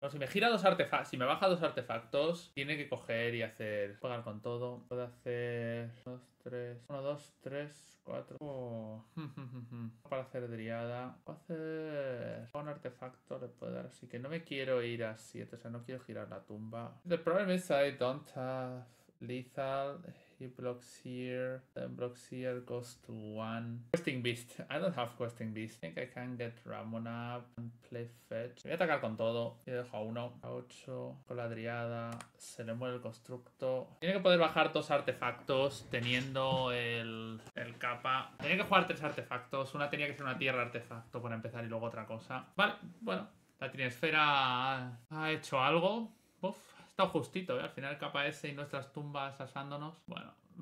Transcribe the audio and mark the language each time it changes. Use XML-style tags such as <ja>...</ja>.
<es>No, si me gira dos artefactos, si me baja dos artefactos, tiene que coger y hacer, jugar con todo. Puede hacer 2, 3, 1, 2, 3, 4. Oh. Para hacer Driada. Puede hacer un artefacto, le puede dar. Así que no me quiero ir a 7, o sea, no quiero girar la tumba.</es> <en>The problem is I don't have lethal. He blocks here, then blocks here, goes to 1. Questing Beast. I don't have Questing Beast. I think I can get Ramona and play Fetch.</en> <es>Voy a atacar con todo. Y dejo a 1. A 8. Con la Driada. Se le muere el Constructo. Tiene que poder bajar dos artefactos teniendo el capa. Tenía que jugar tres artefactos. Una tenía que ser una tierra artefacto para empezar y luego otra cosa. Vale, bueno. La Trinesfera ha hecho algo. Uf, ha estado justito, ¿eh? Al final capa S y nuestras tumbas asándonos. Bueno.</es>